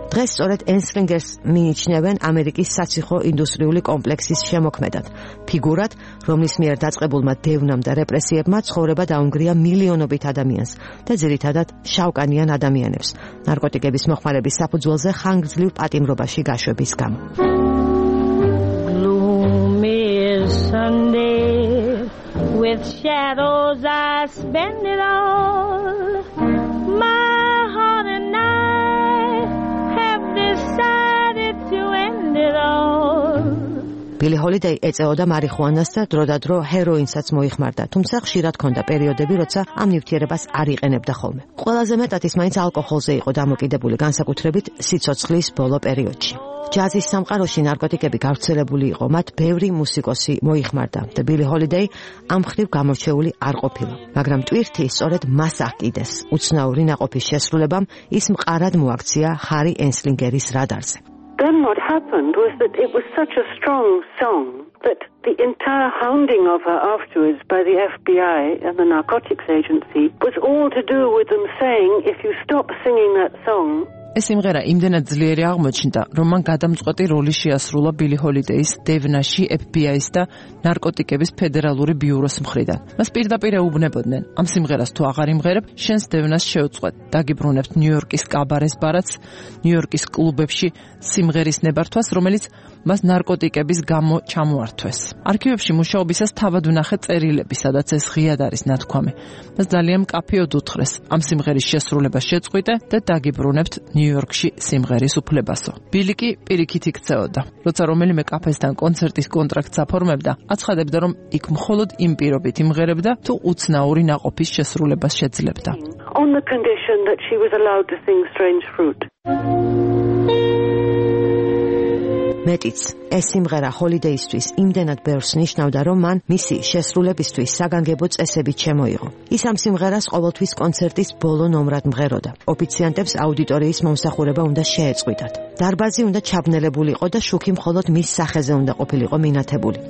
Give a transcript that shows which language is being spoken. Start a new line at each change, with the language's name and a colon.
Georgian: დღეს სწორედ ენსლინგერს მიიჩნევენ ამერიკის საციხო ინდუსტრიული კომპლექსის შემოქმედად, ფიგურად, რომლის მიერ დაწყებულმა დევნამ და რეპრესიებმა ცხოვრება დაუნგრია მილიონობით ადამიანს და ძირითადად შავკანიან ადამიანებს. ნარკოტიკების მოხმარების საფუძველზე ხანგრძლივ პატიმრობაში გაშვების გამო.
English: Gloomy Sunday with shadows I spend it all. My heart and I have decided to end it all.
Georgian: ბილი ჰოლიდეი ეწეოდა მარიხუანას და დროდადრო ჰეროინსაც მოიხმარდა, თუმცა ხშირად ჰქონდა პერიოდები, როცა ამ ნივთიერებას არ იყენებდა ხოლმე. ყველაზე მეტად ის მაინც ალკოჰოლზე იყო დამოკიდებული, განსაკუთრებით სიცოცხლის ბოლო პერიოდში. ჯაზის სამყაროში ნარკოტიკები გავრცელებული იყო, მათ ბევრი მუსიკოსი მოიხმარდა და ბილი ჰოლიდეი ამ ხრივ გამორჩეული არ ყოფილა. მაგრამ ტვირთი სწორედ მას აკიდეს. უცნაური ნაყოფის შესრულებამ ის მყარად მოაქცია ჰარი ენსლინგერის რადარზე.
English: Then what happened was that it was such a strong song that the entire hounding of her afterwards by the FBI and the narcotics agency was all to do with them saying, if you stop singing that song,
Georgian: ეს სიმღერა იმდენად ძლიერი აღმოჩნდა, რომ მან გადამწყვეტი როლი შეასრულა ბილი ჰოლიდეის დევნაში FBI-ს და ნარკოტიკების ფედერალური ბიუროს მხრიდან. მას პირდაპირ უბნებოდნენ: ამ სიმღერას თუ აღარ იმღერებ, შენს დევნას შეუწყვეტ. დაგიბრუნებთ ნიუ-იორკის კაბარეს ბარათს, ნიუ-იორკის კლუბებში სიმღერის ნებართვას, რომელიც მას ნარკოტიკების გამო ჩამოართვეს. არქივებში მუშაობისას თავად ვნახე წერილები, სადაც ეს ღიად არის ნათქვამი. მას ძალიან მკაფიოდ უთხრეს: ამ სიმღერის შესრულება შეწყვიტე და დაგიბრუნებთ ნიუ-იორკში სიმღერის უფლებასო. ბილი კი პირიქით იქცეოდა. როცა რომელიმე კაფესთან კონცერტის კონტრაქტს აფორმებდა, აცხადებდა, რომ იქ მხოლოდ იმ პირობით იმღერებდა, თუ უცნაური ნაყოფის შესრულებას შეძლებდა.
English: On the condition that she was allowed to sing Strange Fruit.
Georgian: მეტიც, ეს სიმღერა ჰოლიდეისთვის იმდენად ბევრს ნიშნავდა, რომ მან მისი შესრულებისთვის საგანგებო წესები ჩემოიღო. ის ამ სიმღერას ყოველთვის კონცერტის ბოლო ნომრად მღეროდა. ოფიციანტებს აუდიტორიის მომსახურება უნდა შეეწყვიტათ. დარბაზი უნდა ჩაბნელებულიყო და შუქი მხოლოდ მის სახეზე უნდა ყოფილიყო მინათებული.